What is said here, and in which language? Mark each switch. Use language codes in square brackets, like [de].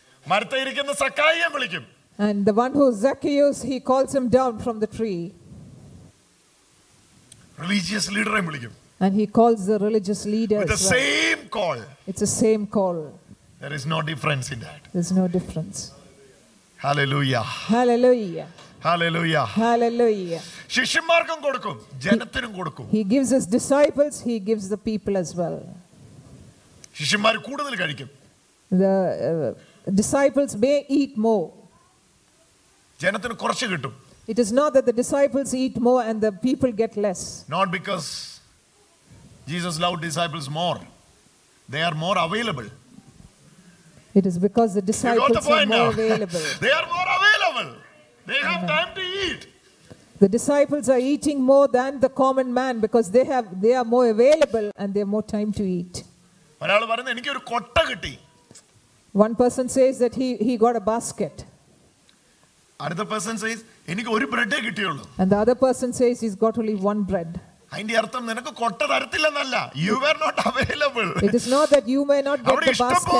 [ml] മരത്തിൽ ഇരിക്കുന്ന സക്കായിയെ വിളിക്കും. [en] And the one who is Zacchaeus he calls him down from the tree. Religious leader and വിളിക്കും. And he calls the religious leader with the well. Same call. It's the same call. There is no difference in that. There's no difference. Hallelujah. Hallelujah. Hallelujah. Hallelujah. [ml] ശിഷ്യന്മാർക്കും കൊടുക്കും ജനത്തിനും കൊടുക്കും. [en] He gives his disciples, he gives the people as well. [ml] ശിഷ്യന്മാർ കൂടുതൽ കഴിക്കും. [en] The disciples may eat more. [ml] ജനത്തിന് കുറച്ച് കിട്ടും. [en] It is not that the disciples eat more and the people get less. Not because Jesus loved disciples more. They are more available. It is because the disciples are more available. They are more available. They have time to eat. The disciples are eating more than the common man because they are more available and they have more time to eat. [ml] Oralu parana enikku oru kotta kitti. [en] One person says that he got a basket. [ml] Adutha [en] person says [ml] enikku oru bread e kittiyullu. [en] And the other person says he's got only one bread. [ml] അതിന്റെ അർത്ഥം നിനക്ക് കൊട്ട തരത്തില്ലെന്നല്ല [en] you are not available it is not that you may not get the basket